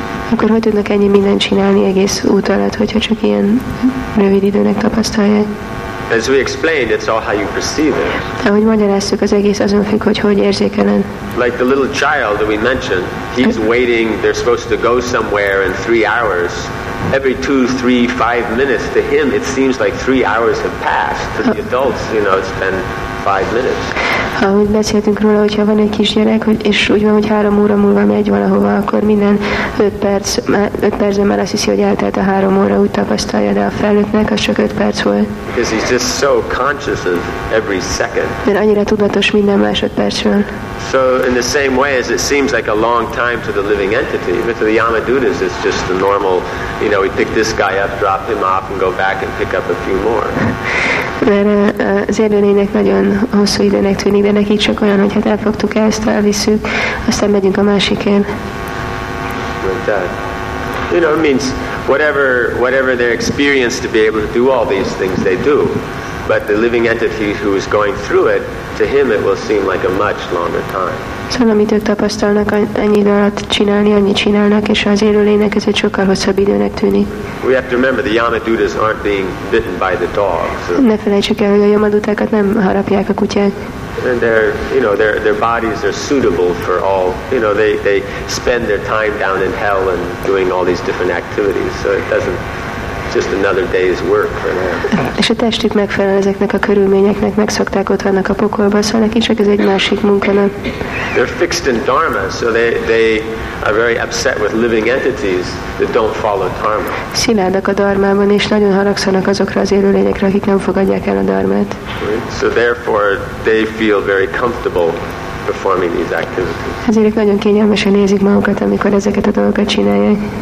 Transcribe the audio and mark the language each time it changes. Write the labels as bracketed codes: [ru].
[hu] Akkor hogy tudnak ennyi mindent csinálni egész út alatt, hogyha csak ilyen rövid időnek tapasztalják? [en] As we explained, it's all how you perceive it. [hu] Ahogy magyaráztuk, az egész azon függ, hogy érzékelen. [en] Like the little child that we mentioned, he's waiting, they're supposed to go somewhere in 3 hours. Every 2, 3, 5 minutes to him, it seems like 3 hours have passed. To the adults, you know, it's been 5 minutes. [hu] Ahogy beszéltünk róla, hogyha van egy kisgyerek, és úgy van, hogy 3 óra múlva megy valahova, akkor minden 5 percben már azt hiszi, hogy eltelt a 3 óra, úgy tapasztalja, de a felnőttnek az csak 5 perc volt. [en] Because he's just so conscious of every second. [hu] Mert annyira tudatos minden másodpercről. [en] So in the same way as it seems like a long time to the living entity, but to the Yamadutas it's just the normal, you know, we pick this guy up, drop him off, and go back and pick up a few more. [hu] Mert az élőlények nagyon hosszú időnek tűnik, de nekik csak olyan, hogy hát elfogtuk ezt, elviszük, aztán megyünk a másikén. [en] Like that. You know, it means whatever their experience to be able to do all these things, they do. But the living entity who is going through it, to him it will seem like a much longer time. [hu] Szóval amit ők tapasztalnak, ennyi idő alatt csinálni, annyit csinálnak, és az élőlének ez egy sokkal hosszabb időnek tűnik. [en] We have to remember the Yamadutas aren't being bitten by the dogs. [hu] Ne felejtsük el, hogy a Yamadutákat nem harapják a kutyák. [en] And their bodies are suitable for all, you know, they spend their time down in hell and doing all these different activities, so it doesn't, just another day's work for them. [hu] És a testük megfelel ezeknek a körülményeknek, megszokták, ott vannak a pokolban, szóval nekik csak ez egy másik munka, nem? [en] They're fixed in dharma, so they are very upset with living entities that don't follow dharma. [hu] Szilárdak a dharmában, és nagyon haragszanak azokra az élőlényekre, akik nem fogadják el a dharmát. [en] So therefore they feel very comfortable performing these activities. [hu] Ezért nagyon kényelmesen nézik magukat, amikor ezeket a dolgokat csinálják.